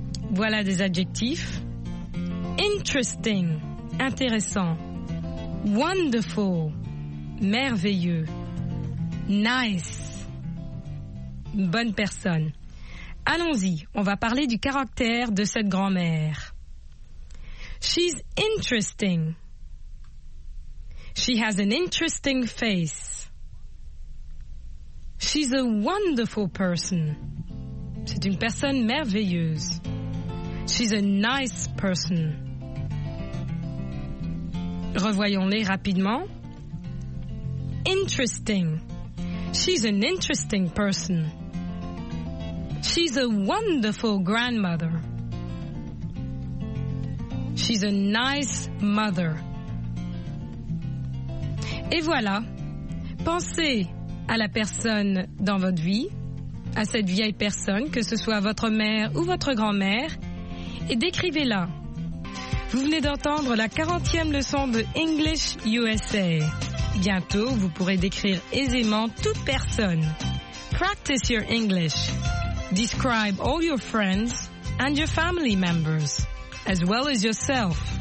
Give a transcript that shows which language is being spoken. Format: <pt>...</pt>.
<fr>Voilà des adjectifs. Interesting, intéressant. Wonderful, merveilleux. Nice, bonne personne. Allons-y, on va parler du caractère de cette grand-mère.</fr> <en>She's interesting. She has an interesting face. She's a wonderful person.</en> <fr>C'est une personne merveilleuse.</fr> <en>She's a nice person.</en> <fr>Revoyons-les rapidement.</fr> <en>Interesting. She's an interesting person. She's a wonderful grandmother. She's a nice mother.</en> <fr>Et voilà. Pensez à la personne dans votre vie, à cette vieille personne, que ce soit votre mère ou votre grand-mère, et décrivez-la. Vous venez d'entendre la 40e leçon de English USA. Bientôt, vous pourrez décrire aisément toute personne.</fr> <en>Practice your English. Describe all your friends and your family members, as well as yourself.</en>